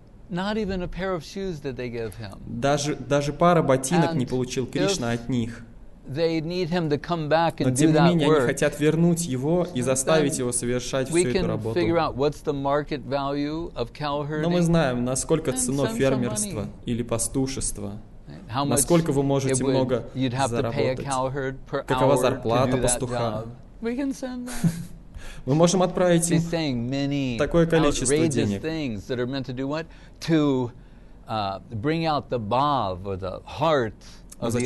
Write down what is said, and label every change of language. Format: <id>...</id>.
<en>Not even a pair of shoes did they give him.</en> <ru>Даже пара ботинок не получил Кришна от них.</ru> <en>They need him to come back and do that work.</en> <ru>Но тем не менее они хотят вернуть его и заставить его совершать всю эту работу.</ru> <en>We can figure out what's the market value of cowherding.</en> <ru>Но мы знаем, насколько цено фермерства или пастушества. Насколько вы можете много заработать? Какова зарплата пастуха?</ru> <en>We can send that.</en> <ru>Мы можем отправить им такое количество денег.</ru> <en>That are meant to do what? To bring out the bhav or the heart of the</en>